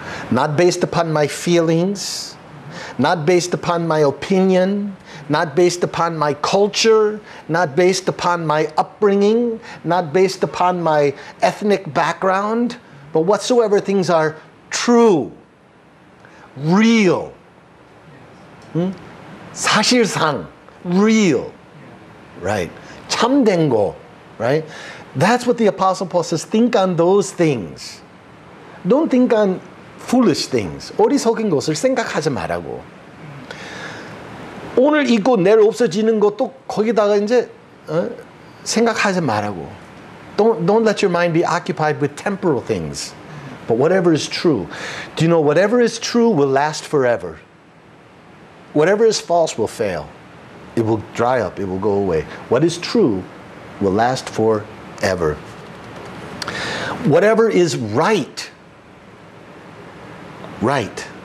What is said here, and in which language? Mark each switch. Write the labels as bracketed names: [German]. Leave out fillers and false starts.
[English] not based upon my feelings, not based upon my opinion, not based upon my culture, not based upon my upbringing, not based upon my ethnic background, but whatsoever things are true, real, 사실상, real, right? [Korean] 참된 거, [English] right? That's what the Apostle Paul says, think on those things. Don't think on foolish things. [Korean] 어리석은 것을 생각하지 말라고. 오늘 있고 내일 없어지는 것도 거기다가 이제 생각하지 말라고. [English] Don't let your mind be occupied with temporal things. But whatever is true, do you know whatever is true will last forever. Whatever is false will fail. It will dry up. It will go away. What is true will last forever. Whatever is right, right.